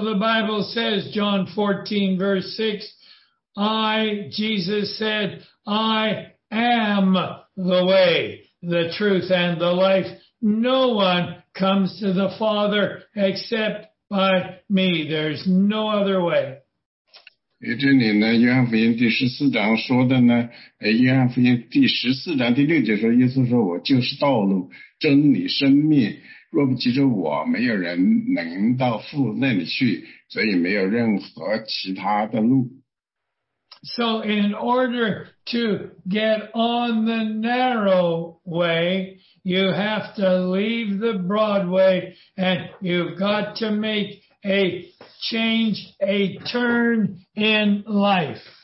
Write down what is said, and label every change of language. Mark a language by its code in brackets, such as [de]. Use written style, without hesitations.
[en] the Bible says, John 14:6, I, Jesus said, I am the way, the truth, and the life. No one comes to the Father except by me. There's no other way. [zh] 这里呢，约翰福音第十四章说的呢，约翰福音第十四章第六节说，耶稣说我就是道路、真理、生命，若不藉着我，没有人能到父那里去，所以没有任何其他的路。 [en] So in order to get on the narrow way, you have to leave the broad way and you've got to make a change, a turn in life.